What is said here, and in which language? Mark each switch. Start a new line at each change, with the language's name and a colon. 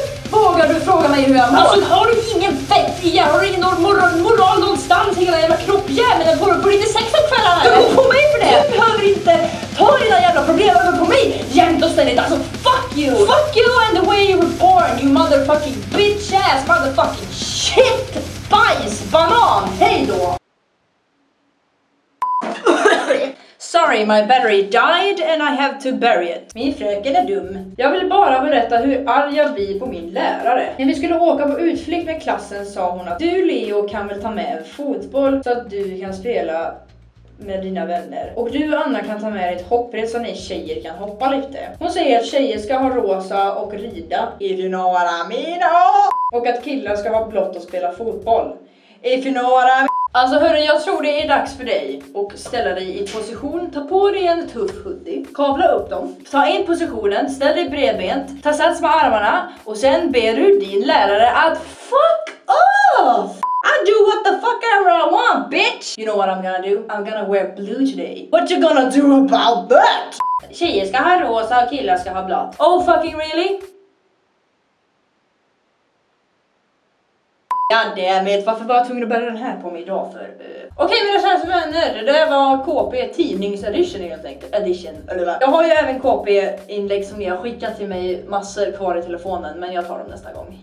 Swedish: Vågar du fråga mig hur jag mår? Alltså har du ingen vett i hjärnan? Har du ingen moral någonstans? Hela jävla kroppjäveln är på lite sex på kvällarna. Du går på mig för det! Du behöver inte ta dina jävla problem över på mig jämt och ständigt. Alltså
English: fuck you! Fuck you and the way you were born, you motherfucking bitch ass, motherfucking shit,
Swedish: bajs, banan, hej då!
English: Sorry, my battery died and I have to bury it.
Swedish: Min fröken är dum. Jag vill bara berätta hur arg jag blir på min lärare. När vi skulle åka på utflykt med klassen sa hon att du Leo kan väl ta med fotboll så att du kan spela med dina vänner. Och du Anna kan ta med ett hoppbrett så ni tjejer kan hoppa lite. Hon säger att tjejer ska ha rosa och rida.
English: If you know what I mean.
Swedish: Och att killar ska ha blått och spela fotboll.
English: If you know what I mean.
Swedish: Alltså hörru, jag tror det är dags för dig att ställa dig i position. Ta på dig en tuff hoodie, kavla upp dem, ta in positionen, ställ dig bredbent, ta sats med armarna och sen ber du din lärare att
English: fuck off! I do what the fuck I want, bitch! You know what I'm gonna do? I'm gonna wear blue today. What you gonna do about that?
Swedish: Tjejer ska ha rosa och killar ska ha blått.
English: Oh fucking really?
Swedish: Goddammit, varför var jag tvungen att bära den här på mig idag för? Okej, mina kära vänner, det var KP tidningsedition helt enkelt. Edition, eller vad? Jag har ju även KP-inlägg som ni har skickat till mig massor kvar i telefonen, men jag tar dem nästa gång.